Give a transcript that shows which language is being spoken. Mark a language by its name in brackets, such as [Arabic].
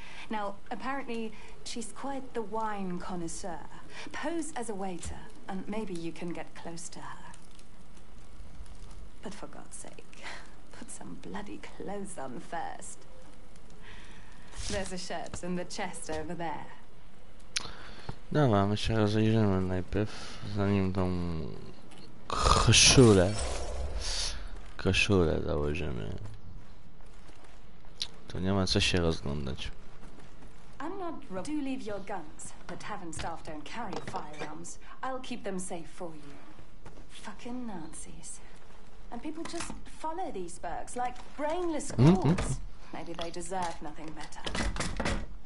[English] Now, apparently, she's quite the wine connoisseur. Pose as a waiter, and maybe you can get close to her. But for God's sake, put some bloody clothes on first. There's a shirt in the chest over there. [Polish] Dobra, my się rozejrzymy najpierw, zanim tą koszulę. Koszulę założymy. To nie ma co się rozglądać. [English] I'm not wrong. Do leave your guns. The tavern staff don't carry firearms. I'll keep them safe for you. Fucking Nazis. And people just follow these Burks like brainless ghouls. Mm-hmm. Maybe they deserve nothing better.